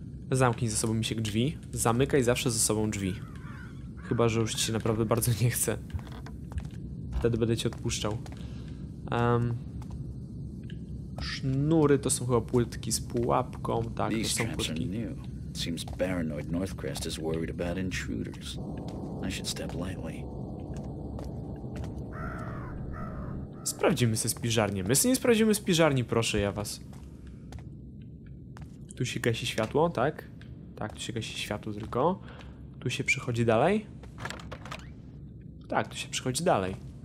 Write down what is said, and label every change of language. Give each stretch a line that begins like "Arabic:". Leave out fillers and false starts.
Polish: Zamknij za sobą mi się drzwi. Zamykaj zawsze za sobą drzwi. Chyba, że już ci się naprawdę bardzo nie chce. Wtedy będę cię odpuszczał. Sznury to są chyba płytki z pułapką. Tak, to są płytki.
English: Seems paranoid Northcrest is worried about intruders. I should step lightly.
Polish: Sprawdzimy se spiżarnię. My se nie sprawdzimy spiżarni, proszę ja was. Tu się gasi światło, tak? Tak, tu się gasi światło tylko. Tu się przychodzi dalej? Tak, tu się przychodzi dalej.